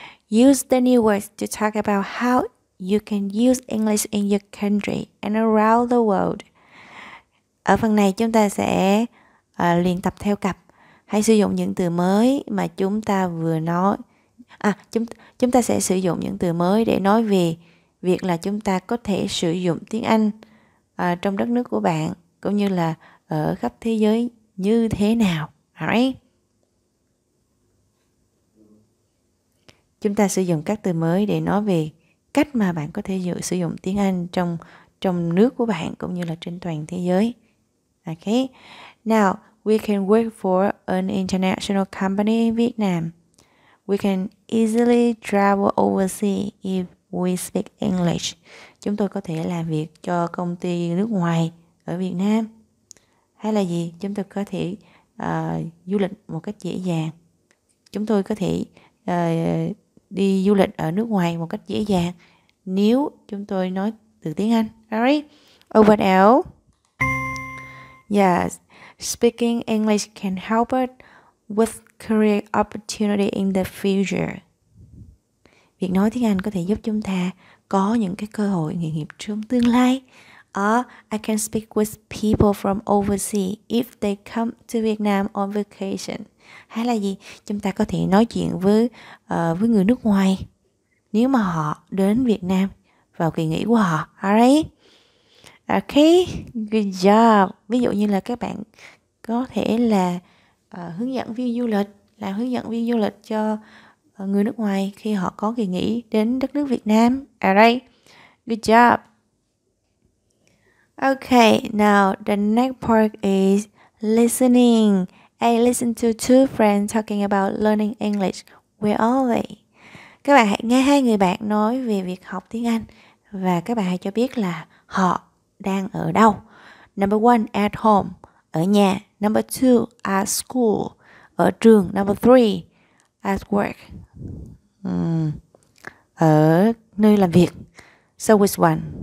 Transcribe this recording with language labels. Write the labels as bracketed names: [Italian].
[English] Use the new words to talk about how you can use English in your country and around the world. [Vietnamese] Ở phần này chúng ta sẽ luyện tập theo cặp. Hãy sử dụng những từ mới mà chúng ta vừa nói. À, chúng ta sẽ sử dụng những từ mới để nói về việc là chúng ta có thể sử dụng tiếng Anh trong đất nước của bạn cũng như là ở khắp thế giới như thế nào. Alright. Chúng ta sử dụng các từ mới để nói về cách mà bạn có thể sử dụng tiếng Anh trong trong nước của bạn cũng như là trên toàn thế giới. [English] Okay. Now, we can work for an international company in Vietnam. We can easily travel overseas if we speak English. [Vietnamese] Chúng tôi có thể làm việc cho công ty nước ngoài ở Việt Nam. Hay là gì? Chúng tôi có thể du lịch một cách dễ dàng. Chúng tôi có thể đi du lịch ở nước ngoài một cách dễ dàng nếu chúng tôi nói được tiếng Anh. [English] Alright. Over now. Yes. Speaking English can help us with career opportunity in the future. [Vietnamese] Việc nói tiếng Anh có thể giúp chúng ta có những cái cơ hội nghề nghiệp trong tương lai. [English] I can speak with people from overseas if they come to Vietnam on vacation. [Vietnamese] Hay là gì? Chúng ta có thể nói chuyện với người nước ngoài nếu mà họ đến Việt Nam vào kỳ nghỉ của họ. Alright. [English] Okay, good job. [Vietnamese] Ví dụ như là các bạn có thể là hướng dẫn viên du lịch, là hướng dẫn viên du lịch cho người nước ngoài khi họ có kỳ nghỉ đến đất nước Việt Nam. [English] Alright, good job. Okay, now the next part is listening. I listen to two friends talking about learning English. Where are they? [Vietnamese] Các bạn hãy nghe hai người bạn nói về việc học tiếng Anh và các bạn hãy cho biết là họ đang ở đâu. [English] Number one, at home, [Vietnamese] ở nhà. [English] Number two, at school, [Vietnamese] ở trường. [English] Number three, at work, [Vietnamese] ở nơi làm việc. [English] So which one?